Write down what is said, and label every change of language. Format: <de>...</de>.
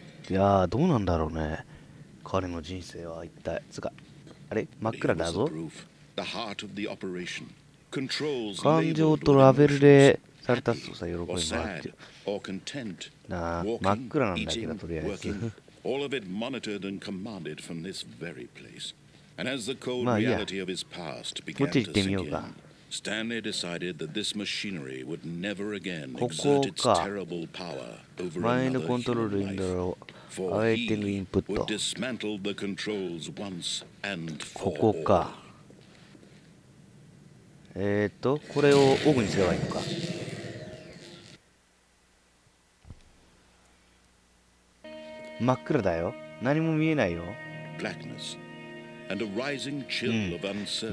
<ja>いやー、どうなんだろうね。彼の人生は一体、つか、あれ、真っ暗だぞ。</ja> <en>The heart of the operation. Controls</en> <ja>感情とラベルでされたとさ、喜びもらってる。なあ、真っ暗なんだけど、とりあえず。</ja> <en>All of it monitored and commanded from this very place. And as the cold reality of his past began to sink in. Stanley decided that this machinery would never again exert its terrible power over another human life. For he would dismantle the controls once and for all.</en> <ja>これをオフにすればいいのか。真っ暗だよ。何も見えないよ。</ja> <en>Blackness and a rising chill of uncertainty.</en>